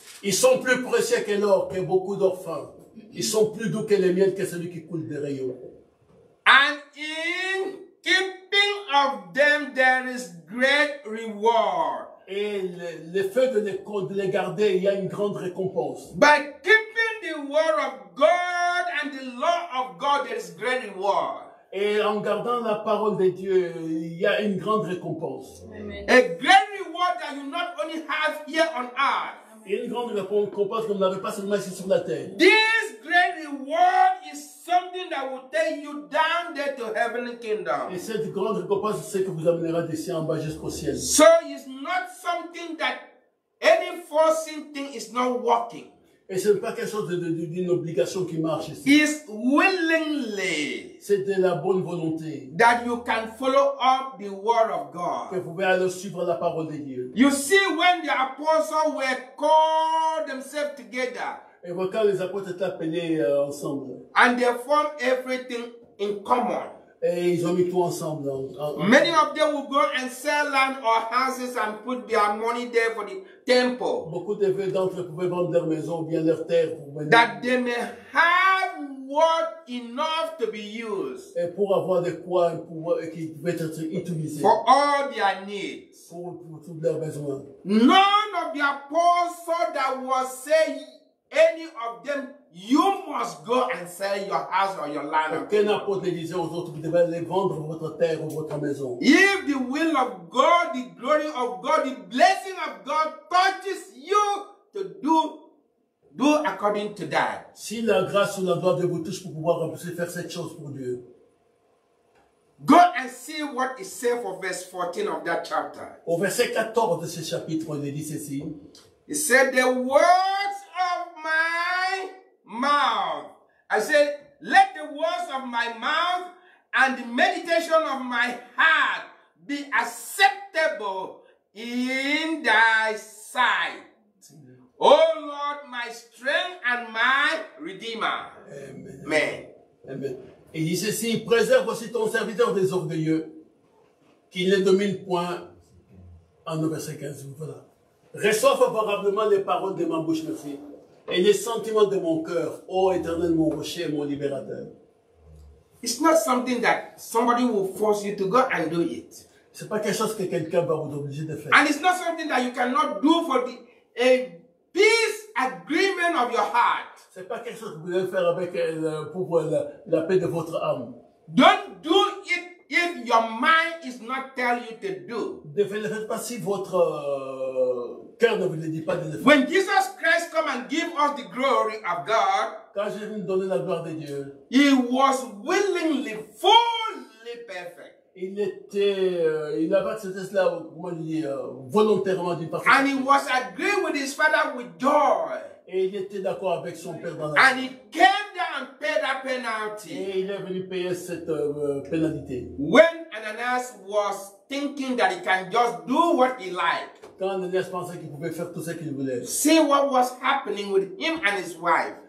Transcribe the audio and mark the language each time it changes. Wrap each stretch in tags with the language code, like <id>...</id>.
<fr>Ils sont plus précieux que l'or, que beaucoup d'orphans. Ils sont plus doux que les miel, que celui qui coule des rayons.</fr> <en>And in keeping of them there is great reward.</en> <fr>Et le fait de les garder, il y a une grande récompense.</fr> <en>By keeping the word of God and the law of God, there is great reward.</en> <fr>Et en gardant la parole de Dieu, il y a une grande récompense.</fr> <en>Amen. A great reward that you not only have here on earth.</en> <fr>Et une grande récompense que vous n'avez pas seulement ici sur la terre.</fr> <en>This great reward is something that will take you down there to heavenly kingdom.</en> <fr>Et cette grande récompense, c'est ce qui vous amènera d'ici en bas jusqu'au ciel.</fr> <en>So it's not something that any forcing thing is not working.</en> <fr>Et ce n'est pas quelque chose d'une obligation qui marche ici.</fr> <en>It's willingly.</en> <fr>C'est de la bonne volonté.</fr> <en>That you can follow up the word of God.</en> <fr>Que vous pouvez aller suivre la parole de Dieu.</fr> <en>You see, when the apostles were called themselves together.</en> <fr>Et vous quand les apôtres étaient appelés ensemble.</fr> <en>And they formed everything in common.</en> <fr>Et ils ont mis tout ensemble.</fr> <en>Many of them will go and sell land or houses and put their money there for the temple.</en> <fr>Beaucoup d'entre eux pouvaient vendre leur maison ou bien leur terre pour venir.</fr> <en>That they may have what enough to be used.</en> <fr>Et pour avoir de quoi et pouvoir et qui peut être utilisé.</fr> <en>For all their needs.</en> <fr>Pour toutes leurs besoins.</fr> <en>None of the apostles that was saying any of them. You must go and sell your house or your land.</en> <fr>Aucun apôtre ne disait aux autres, vous devez aller vendre votre terre ou votre maison.</fr> <en>If the will of God, the glory of God, the blessing of God touches you to do according to that.</en> <fr>Si la grâce ou la gloire de vous touche pour pouvoir faire cette chose pour Dieu.</fr> <en>Go and see what it says for verse 14 of that chapter.</en> <fr>Au verset 14 de ce chapitre, il dit ceci.</fr> <en>It said the words of my mouth. I said, let the words of my mouth and the meditation of my heart be acceptable in thy sight. O Lord, my strength and my redeemer. Amen. Amen.</en> <fr>Il dit ceci, préserve aussi ton serviteur des orgueilleux, qu'il ne domine point en verset 15. Voilà. Reçois favorablement les paroles de ma bouche, merci. Et les sentiments de mon cœur, ô Éternel, mon rocher, mon libérateur.</fr> <en>It's not something that somebody will force you to go and do it.</en> <fr>C'est pas quelque chose que quelqu'un va vous obliger de faire.</fr> <en>And it's not something that you cannot do for the a peace agreement of your heart.</en> <fr>C'est pas quelque chose que vous devez faire avec pour la paix de votre âme.</fr> <en>Don't do it if your mind is not telling you to do.</en> <fr>Ne faites pas si votre cœur ne vous le dit pas de le faire.</fr> <en>When Jesus Christ come and give us the glory of God,</en> <fr>quand Jésus nous donne la gloire de Dieu,</fr> <en>he was willingly, fully perfect.</en> <fr>Il avait accepté cela, comment dire, volontairement d'une part.</fr> <en>And he was agreeing with his Father with joy.</en> <fr>Et il était d'accord avec son Père dans la.</fr> <en>And he came down and paid that penalty.</en> <fr>Et il est venu payer cette pénalité.</fr> <en>When Ananias was thinking that he can just do what he liked.</en> <fr>Quand Ananias pensait qu'il pouvait faire tout ce qu'il voulait.</fr> <en>See what was happening with him and his wife.</en>